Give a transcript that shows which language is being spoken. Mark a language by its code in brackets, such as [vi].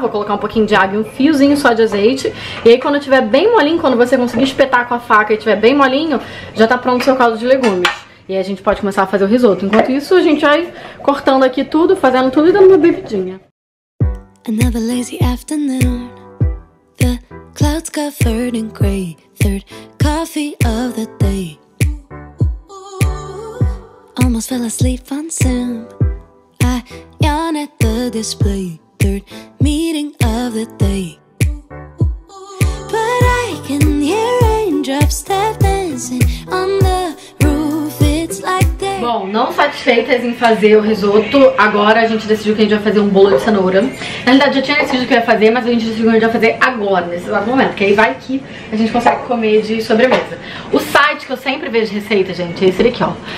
[pt] Vou colocar um pouquinho de água e um fiozinho só de azeite. E aí quando tiver bem molinho, quando você conseguir espetar com a faca e tiver bem molinho, já tá pronto o seu caldo de legumes. E aí a gente pode começar a fazer o risoto. Enquanto isso, a gente vai cortando aqui tudo, fazendo tudo e dando uma bebidinha. [en] Another lazy afternoon. The clouds covered in gray. Third coffee of the day. Almost fell asleep on Zoom. Yawn at the display. Third meeting of the day. But I can hear raindrops that dancing on the roof. It's like day. [pt] Bom, não satisfeitas em fazer o risoto, agora a gente decidiu que a gente vai fazer um bolo de cenoura. Na verdade, eu tinha decidido que eu ia fazer, mas a gente decidiu que a gente vai fazer agora, nesse exato momento. Que aí vai que a gente consegue comer de sobremesa. O site que eu sempre vejo receita, gente, é esse aqui, ó.